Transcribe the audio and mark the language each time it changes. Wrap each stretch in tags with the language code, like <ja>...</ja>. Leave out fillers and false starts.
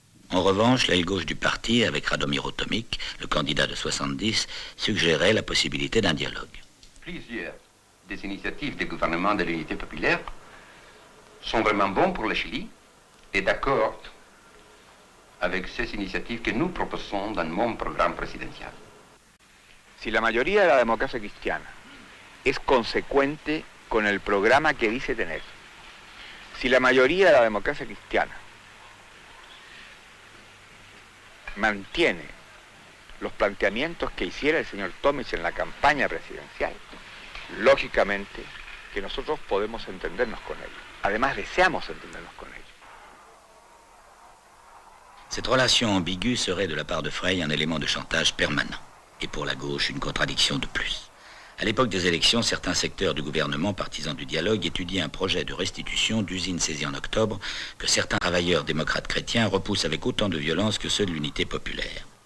<fr>En revanche, l'aile gauche du parti, avec Radomiro Tomic, le candidat de 70, suggérait la possibilité d'un dialogue. Plusieurs des initiatives des gouvernements de l'unité populaire sont vraiment bonnes pour le Chili et d'accord avec ces initiatives que nous proposons dans mon programme présidentiel.</fr> <es>Si la mayoría de la democracia cristiana es consecuente con el programa que dice tener, si la mayoría de la democracia cristiana mantiene los planteamientos que hiciera el señor Tomic en la campaña presidencial, lógicamente que nosotros podemos entendernos con ellos. Además, deseamos entendernos con ellos.</es> <fr>Cette relation ambiguë serait de la part de Frey un élément de chantage permanent. Et pour la gauche, une contradiction de plus. À l'époque des élections, certains secteurs du gouvernement partisans du dialogue étudient un projet de restitution d'usines saisies en octobre que certains travailleurs démocrates chrétiens repoussent avec autant de violence que ceux de l'unité populaire.</fr>